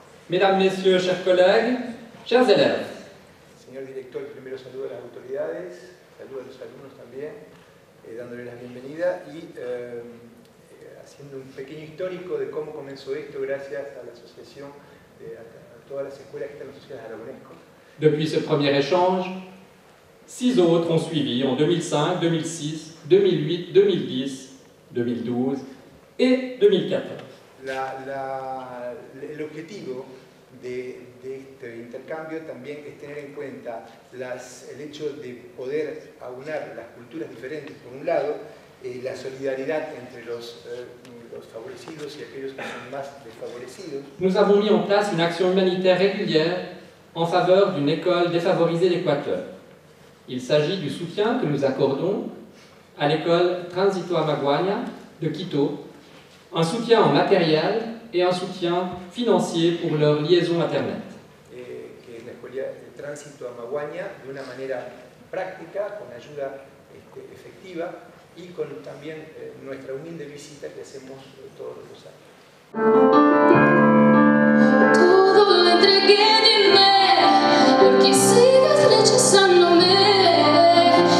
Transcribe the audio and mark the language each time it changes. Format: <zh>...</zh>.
<fr>Mesdames, Messieurs, chers collègues, chers élèves.</fr> <es>Señor director, primero saludo a las autoridades, saludo a los alumnos también, dándoles la bienvenida y haciendo un pequeño histórico de cómo comenzó esto gracias a la asociación, a todas las escuelas que están asociadas a la UNESCO.</es> <fr>Depuis ce premier échange, six autres ont suivi en 2005, 2006, 2008, 2010, 2012 et 2014.</fr> <es>El objetivo de este intercambio también es tener en cuenta el hecho de poder aunar las culturas diferentes, por un lado, la solidaridad entre los favorecidos y aquellos que son más desfavorecidos.</es> <fr>Nous avons mis en place une action humanitaire régulière en faveur d'une école défavorisée d'Équateur. Il s'agit du soutien que nous accordons à l'école Tránsito Amaguaña de Quito, un soutien en matériel et un soutien financier pour leur liaison Internet.</fr> <es>Que la escuela de Tránsito Amaguaña, de una manera práctica, con ayuda efectiva y con también nuestra humilde visita que hacemos todos los años. Todo lo entregué, dime, porque sigas rechazándome.</es>